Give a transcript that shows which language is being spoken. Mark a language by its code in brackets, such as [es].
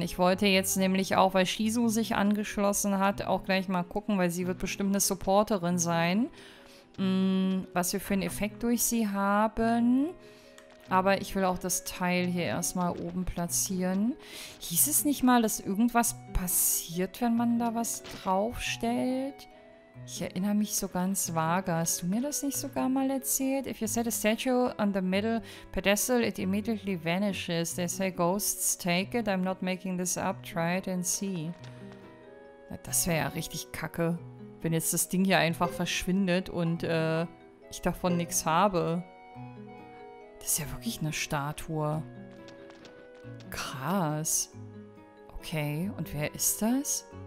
[de] Ich wollte jetzt nämlich auch, weil Shizu sich angeschlossen hat, auch gleich mal gucken, weil sie wird bestimmt eine Supporterin sein, was wir für einen Effekt durch sie haben. Aber ich will auch das Teil hier erstmal oben platzieren. Hieß es nicht mal, dass irgendwas passiert, wenn man da was draufstellt? Ich erinnere mich so ganz vage. Hast du mir das nicht sogar mal erzählt? [en] If you set a statue on the middle pedestal, it immediately vanishes. They say ghosts take it. I'm not making this up. Try it and see. [de] Na, das wäre ja richtig kacke, wenn jetzt das Ding hier einfach verschwindet und ich davon nichts habe. Das ist ja wirklich eine Statue. Krass. Okay, und wer ist das?